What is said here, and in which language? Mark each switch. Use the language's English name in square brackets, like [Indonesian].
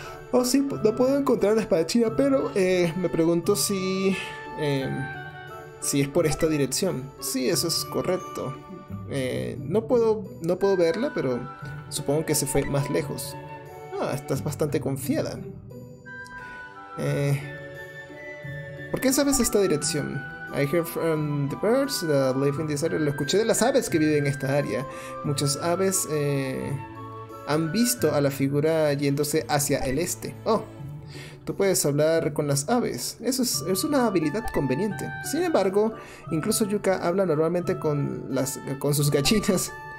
[Spanish] Oh sí, no puedo encontrar la espadachina, pero me pregunto si es por esta dirección. Sí, eso es correcto. No puedo verla, pero supongo que se fue más lejos. Ah, estás bastante confiada. ¿Por qué sabes esta dirección? [English] I hear from the birds that live in this area. [Spanish] Lo escuché de las aves que viven en esta área. Muchas aves han visto a la figura yéndose hacia el este. Oh, tú puedes hablar con las aves. Eso es una habilidad conveniente. Sin embargo, incluso Yuka habla normalmente con sus gallinas.